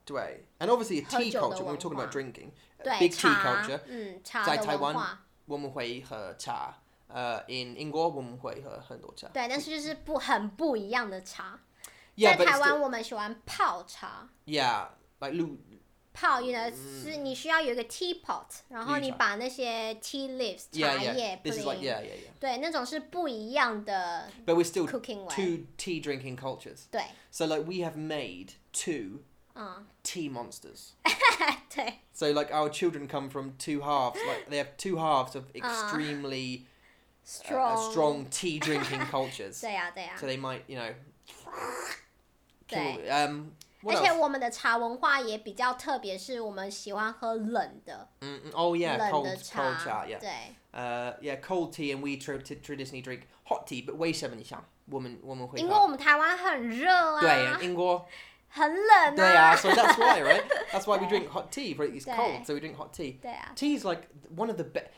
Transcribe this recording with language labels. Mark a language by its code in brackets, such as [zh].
[en] 对 and obviously a tea culture when we're talking about drinking. Big tea culture. [zh] 茶的文化。在台湾我们会喝茶。 In 英国我们会喝很多茶。对但是就是不很不一样的茶。 [en] Yeah, [zh] 在台湾我们喜欢泡茶。 [en] Yeah, like 绿 [zh] 泡，you know, 是你需要有一个 teapot， 然后你把那些 tea leaves 茶叶 [en] This is like, yeah. [zh] 对，那种是不一样的。 [en] But we're still cooking two tea drinking cultures. [zh] 对。 [en] So like we have made two tea monsters. [zh] 对。 [en] So like our children come from two halves, like they have two halves of extremely strong tea drinking cultures. [zh] 对呀，对呀。 [en] So they might, you know. [zh] 对。 [en] What、 [zh] 而且、 [en] else? [zh] 我们的茶文化也比较特别，是我们喜欢喝冷的。冷的茶。Cold [en] yeah. 对。 Yeah, cold tea, and we traditionally drink hot tea. [zh] But 为什么你想我们会喝？因为我们台湾很热啊。对，英国很冷啊。对啊 [en] ，so that's why, right? That's why we drink hot tea, for it's cold, so we drink hot tea. [zh] 对啊。 [en] Tea is like one of the best.